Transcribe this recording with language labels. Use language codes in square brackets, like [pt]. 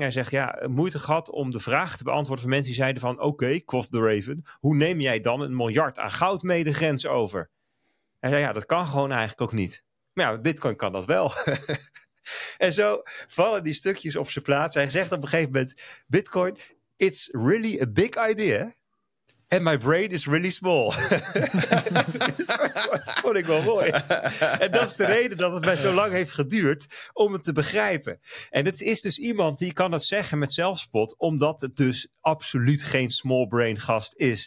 [nl] Hij zegt ja, moeite gehad om de vraag te beantwoorden van mensen die zeiden van oké, Quoth the Raven, hoe neem jij dan een miljard aan goud mee de grens over? Hij zei ja, dat kan gewoon eigenlijk ook niet. Maar ja, Bitcoin kan dat wel. En zo vallen die stukjes op zijn plaats. Hij zegt op een gegeven moment, Bitcoin, [en] it's really a big idea. And my brain is really small. [nl] Vond ik wel mooi. En dat is de reden dat het mij zo lang heeft geduurd om het te begrijpen. En het is dus iemand die kan dat zeggen met zelfspot, omdat het dus absoluut geen small brain gast is.